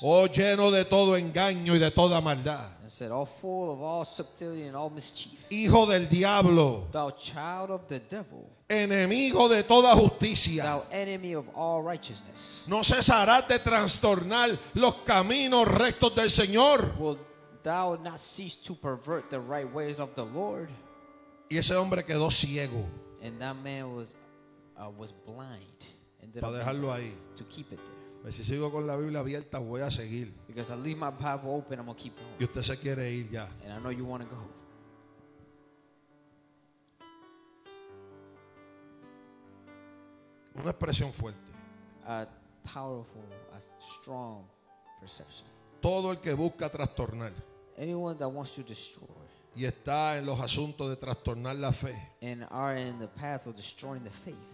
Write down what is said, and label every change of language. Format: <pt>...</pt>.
<es>oh lleno de todo engaño y de toda maldad,</es> <en>and said, all full of all subtlety and all mischief,</en> <es>hijo del diablo,</es> <en>thou child of the devil,</en> <es>enemigo de toda justicia,</es> <en>thou enemy of all righteousness,</en> <es>no cesarás de trastornar los caminos rectos del Señor,</es> <en>will thou not cease to pervert the right ways of the Lord.</en> <es>Y ese hombre quedó ciego,</es> <en>and that man was blind.</en> <es>Para dejarlo ahí.</es> <en>To keep it there.</en> <es>Pues si sigo con la Biblia abierta, voy a seguir.</es> <en>Because I leave my Bible open, I'm gonna keep going.</en> <es>Y usted se quiere ir ya.</es> <en>And I know you want to go.</en> <es>Una expresión fuerte.</es> <en>A powerful, a strong perception.</en> <es>Todo el que busca trastornar.</es> <en>Anyone that wants to destroy.</en> <es>Y está en los asuntos de trastornar la fe.</es> <en>And are in the path of destroying the faith.</en>